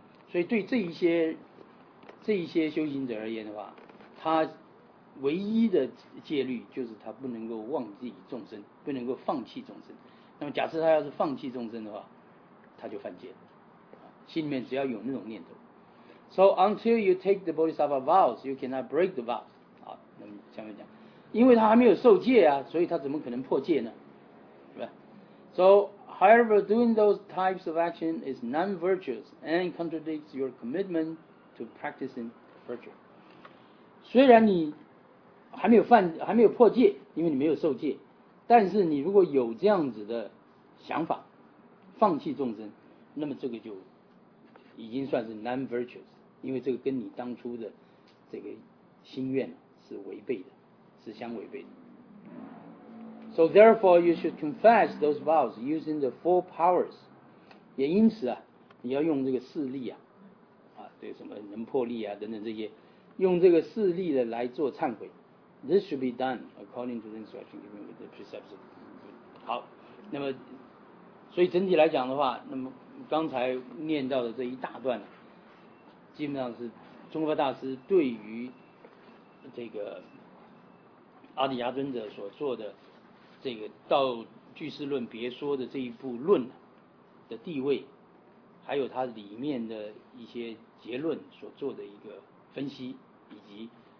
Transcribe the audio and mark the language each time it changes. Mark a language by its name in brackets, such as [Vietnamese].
[Chinese] 所以对这一些修行者而言的话，他唯一的戒律就是他不能够忘记众生，不能够放弃众生。那么假设他要是放弃众生的话，他就犯戒了，心里面只要有那种念头。 [English] So until you take the Bodhisattva vows, you cannot break the vows. [Chinese] 好，那么下面讲，因为他还没有受戒啊，所以他怎么可能破戒呢？是吧？ [English] So however, doing those types of action is non-virtuous and contradicts your commitment to practicing virtue. [Chinese] 虽然你还没有破戒，因为你没有受戒，但是你如果有这样子的想法，放弃众生，那么这个就已经算是 non-virtuous， 因为这个跟你当初的这个心愿是违背的，是相违背的。 [English] So therefore, you should confess those vows using the four powers. [Chinese] 也因此啊，你要用这个四力啊，啊，对什么能破力啊等等这些，用这个四力的来做忏悔。 [English] This should be done according to the instruction given with the precepts. [Chinese] 好，那么。所以整体来讲的话，那么刚才念到的这一大段，基本上是中佛大师对于这个阿底牙尊者所做的这个《道俱师论别说》的这一部论的地位，还有它里面的一些结论所做的一个分析，以及